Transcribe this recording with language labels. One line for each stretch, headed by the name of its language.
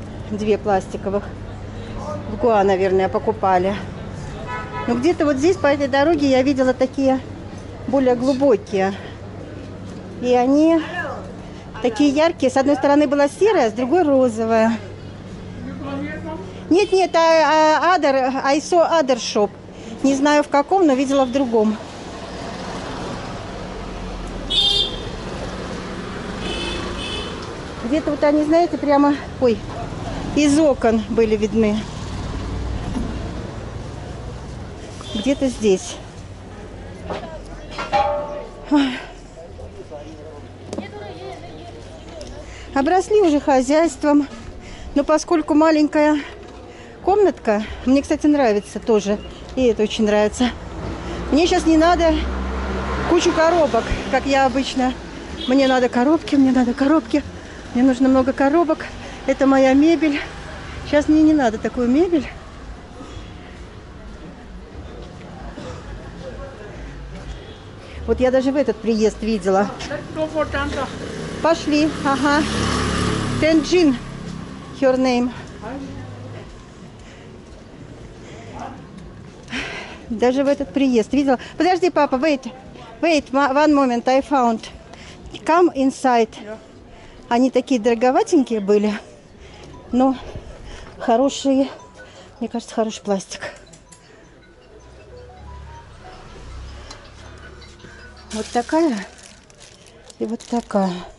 Russian: Две пластиковых. В Гуа, наверное, покупали. Но где-то вот здесь, по этой дороге, я видела такие более глубокие. И они такие яркие. С одной стороны была серая, с другой розовая. Нет,
English: other, I saw other shop.
Russian: Не знаю в каком, но видела в другом. Где-то вот они, знаете, прямо, ой, из окон были видны. Где-то здесь. Обросли уже хозяйством, но поскольку маленькая комнатка, мне, кстати, нравится тоже, и это очень нравится. Мне сейчас не надо кучу коробок, как я обычно. Мне надо коробки, мне надо коробки, мне нужно много коробок. Это моя мебель. Сейчас мне не надо такую мебель. Вот я даже в этот приезд видела. Пошли, ага.
English: Тенджин, your name.
Russian: Даже в этот приезд видела. Подожди, папа,
English: wait, one moment, I found. Come inside.
Russian: Они такие дороговатенькие были, но хорошие, мне кажется, хороший пластик. Вот такая и вот такая.